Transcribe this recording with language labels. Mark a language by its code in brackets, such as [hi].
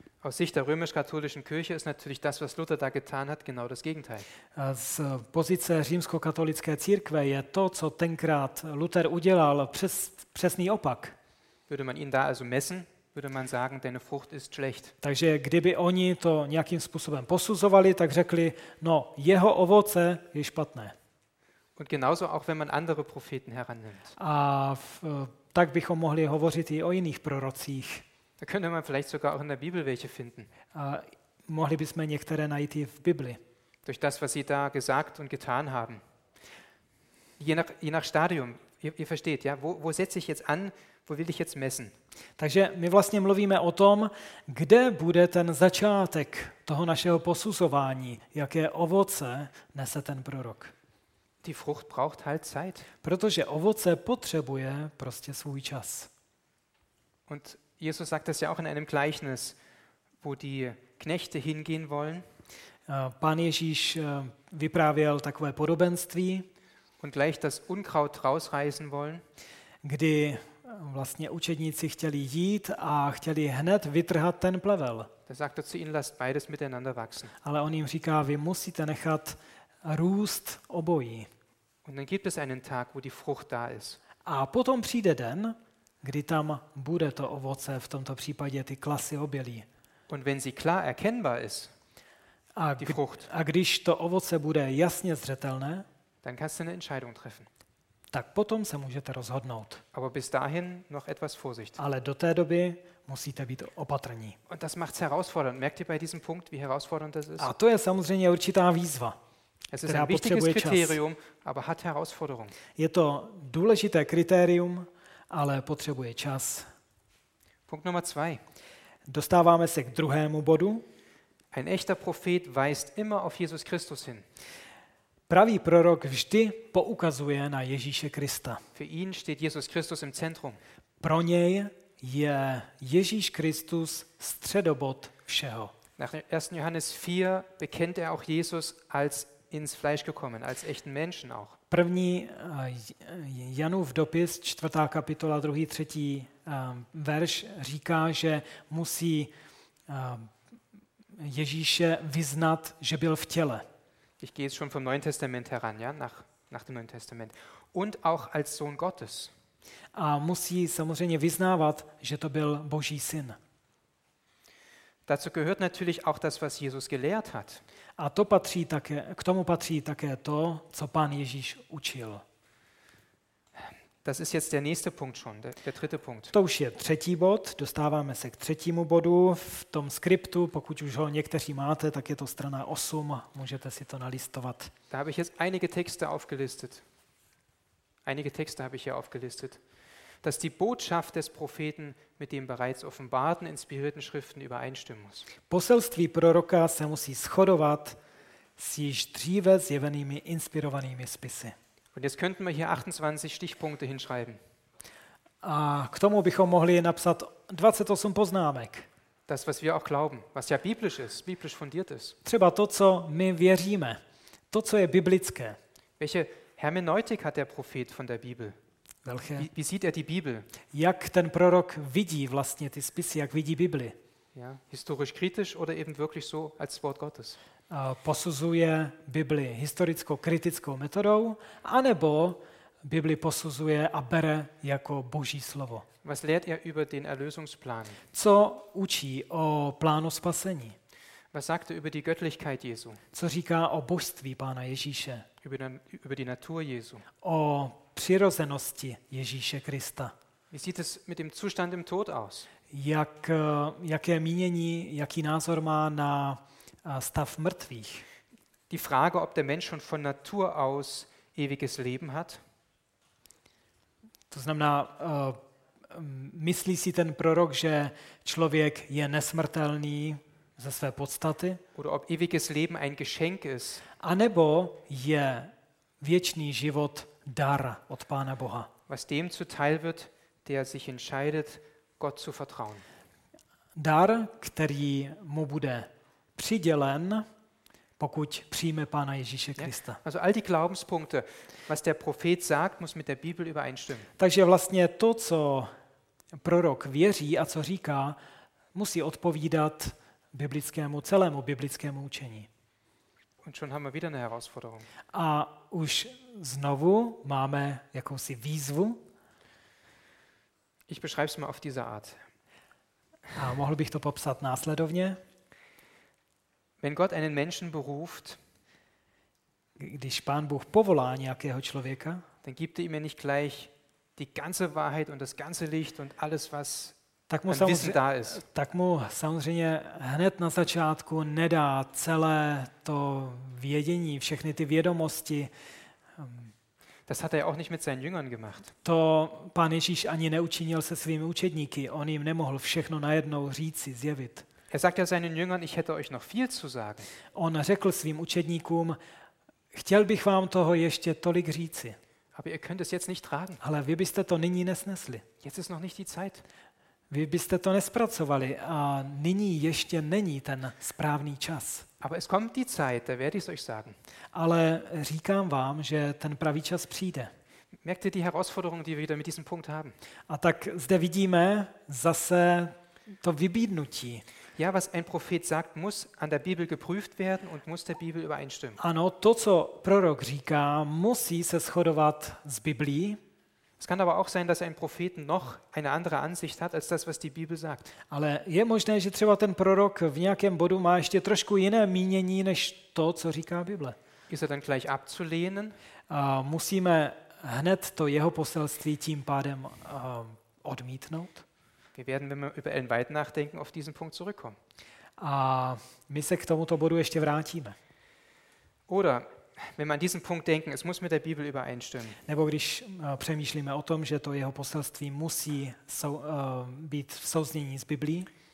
[de] Aus Sicht der römisch-katholischen Kirche ist natürlich das, was Luther da getan hat, genau das Gegenteil. [cs] Z pozice římsko-katolické církve je to, co tenkrát Luther udělal, přesný opak. [de] Würde man ihn da also messen, würde man sagen, deine Frucht ist schlecht. [cs] Takže kdyby oni to nějakým způsobem posuzovali, tak řekli, no, jeho ovoce je špatné. [de] Und genauso auch wenn man andere Propheten herannimmt. [cs] Tak bychom mohli hovořit i o jiných prorocích. [de] Da könnte man vielleicht sogar auch in der Bibel welche finden. [cs] Mohli bychom některé najít i v Bibli. [de] Durch das, was sie da gesagt und getan haben. Je nach Stadium. Ihr versteht, ja? Wo setze ich jetzt an? Wo will ich jetzt messen? [cs] Takže my vlastně mluvíme o tom, kde bude ten začátek toho našeho posuzování, jaké ovoce nese ten prorok. [de] Die Frucht braucht halt Zeit. [cs] Protože ovoce potřebuje prostě svůj čas. [de] Und Jesus sagt das ja auch in einem Gleichnis, wo die Knechte hingehen wollen. [cs] Pán Ježíš vyprávěl takové podobenství. [de] Und gleich das Unkraut rausreißen wollen. [cs] Kdy vlastně učedníci chtěli jít a chtěli hned vytrhat ten plevel. [de] Da sagt er zu ihnen, lasst beides miteinander wachsen. [cs] Ale on jim říká, vy musíte nechat růst obojí. [de] Und dann gibt es einen Tag, wo die Frucht da ist. [cs] A potom přijde den, kdy tam bude to ovoce, v tomto případě ty klasy obilí. [de] Und wenn sie klar erkennbar ist, die Frucht. [cs] A když to ovoce bude jasně zřetelné, [de] dann kannst du eine Entscheidung treffen. [cs] Tak potom se můžete rozhodnout. [de] Aber bis dahin noch etwas Vorsicht. [cs] Ale do té doby musíte být opatrní. [de] Und das macht's herausfordernd. Merkt ihr bei diesem Punkt, wie herausfordernd das ist? [cs] A to je samozřejmě určitá výzva. [de] Es ist ein wichtiges Kriterium, aber hat Herausforderung. [cs] Je to důležité kritérium, ale potřebuje čas. [de] Punkt Nummer 2. [cs] Dostáváme se k druhému bodu. [de] Ein echter Prophet weist immer auf Jesus Christus hin. [cs] Pravý prorok vždy poukazuje na Ježíše Krista. [de] Für ihn steht Jesus Christus im Zentrum. [cs] Pro něj je Ježíš Kristus středobod všeho. [de] Nach 1. Johannes 4 bekennt auch Jesus als ins Fleisch gekommen, als echten Menschen auch. [cs] První Janův dopis, 4. kapitola, 2. 3. verš říká, že musí Ježíše vyznat, že byl v těle. [de] Ich gehe schon vom Neuen Testament heran, ja, nach dem Neuen Testament und auch als Sohn Gottes. [cs] A musí samozřejmě vyznávat, že to byl Boží syn. [de] Dazu gehört natürlich auch das, was Jesus gelehrt hat. [cs] A to patří také, k tomu patří také to, co pán Ježíš učil. [de] Das ist jetzt der nächste Punkt schon, der dritte Punkt. [cs] To už je třetí bod, dostáváme se k třetímu bodu v tom skriptu, pokud už ho někteří máte, tak je to strana 8, můžete si to nalistovat. [de] Da habe ich jetzt einige Texte aufgelistet. Einige Texte habe ich hier aufgelistet, dass die Botschaft des Propheten mit den bereits offenbarten inspirierten Schriften übereinstimmen muss. [cs] Poselství proroka se musí shodovat s již dříve zjevenými inspirovanými spisy. [de] Und jetzt könnten wir hier 28 Stichpunkte hinschreiben. [cs] A k tomu bychom mohli napsat 28 poznámek. [de] Das, was wir auch glauben, was ja biblisch ist, biblisch fundiert ist. [cs] Třeba to, co my věříme, to, co je biblické. [de] Welche Hermeneutik hat der Prophet von der Bibel? Welche? Wie sieht er die Bibel? [cs] Jak ten prorok vidí vlastně ty spisy, jak vidí Bibli? [de] Ja, historisch kritisch oder eben wirklich so als Wort Gottes? [cs] Posuzuje Bibli historicko-kritickou metodou, anebo Bibli posuzuje a bere jako Boží slovo. [de] Was lehrt er über den Erlösungsplan? [cs] Co učí o plánu spasení? [de] Was sagt er über die Göttlichkeit Jesu? [cs] Co říká o božství Pána Ježíše? [de] Über die Natur Jesu. [cs] O přirozenosti Ježíše Krista. [de] Wie sieht es mit dem Zustand im Tod aus? [cs] Jaké mínění, jaký názor má na stav mrtvých. [de] Die Frage, ob der Mensch schon von Natur aus ewiges Leben hat. [cs] To znamená, myslí si ten prorok, že člověk je nesmrtelný ze své podstaty? [de] Oder ob ewiges Leben ein Geschenk ist. [cs] A nebo je věčný život dar od Pána Boha. [de] Was dem zuteil wird, der sich entscheidet, Gott zu vertrauen. [cs] Dar, který mu bude přidělen, pokud přijme Pána Ježíše Krista. [de] Ja, also all die Glaubenspunkte, was der Prophet sagt, muss mit der Bibel übereinstimmen. [cs] Takže vlastně to, co prorok věří a co říká, musí odpovídat biblickému celému biblickému učení. [de] Und schon haben wir wieder eine Herausforderung. [cs] A už znovu máme jakousi výzvu. [de] Ich beschreibe es mal auf diese Art. [cs] A mohl bych to popsat následovně. [de] Wenn Gott einen Menschen beruft, [cs] když Pán Bůh povolá nějakého člověka, [de] dann gibt er ihm nicht gleich die ganze Wahrheit und das ganze Licht und alles, was an Wissen da ist. [cs] Tak mu samozřejmě hned na začátku nedá celé to vědění, všechny ty vědomosti. [de] Das hat er auch nicht mit seinen Jüngern gemacht. [cs] To Pán Ježíš ani neučinil se svými učedníky, on jim nemohl všechno najednou říci, zjevit. [de] Er sagt ja seinen Jüngern, ich hätte euch noch viel zu sagen. [cs] On řekl svým učedníkům, chtěl bych vám toho ještě tolik říci. [de] Aber ihr könnt es jetzt nicht tragen. [cs] Ale vy byste to nyní nesnesli. [de] Jetzt ist noch nicht die Zeit. [cs] Vy byste to nespracovali a nyní ještě není ten správný čas. [de] Aber es kommt die Zeit, da werde ich es euch sagen. [cs] Ale říkám vám, že ten pravý čas přijde. [de] Merkt ihr die Herausforderung, die wir wieder mit diesem Punkt haben? [cs] A tak zde vidíme zase to vybídnutí. [de] Ja, was ein Prophet sagt, muss an der Bibel geprüft werden und muss der Bibel übereinstimmen. [cs] Ano, to, co prorok říká, musí se shodovat s Biblií. [de] Es kann aber auch sein, dass ein Prophet noch eine andere Ansicht hat als das, was die Bibel sagt. [cs] Ale je možné, že třeba ten prorok v nějakém bodu má ještě trošku jiné mínění než to, co říká Bible. [de] Ist er dann gleich abzulehnen? [cs] Musíme hned to jeho poselství tím pádem odmítnout? [de] Wir werden, wenn wir über Ellen White nachdenken, auf diesen Punkt zurückkommen. [cs] A my se k tomuto bodu ještě vrátíme. [de] Oder wenn wir an diesen Punkt denken, es muss mit der Bibel übereinstimmen. [cs] Nebo když přemýšlíme o tom, že to jeho poselství musí být v souznění s Biblí.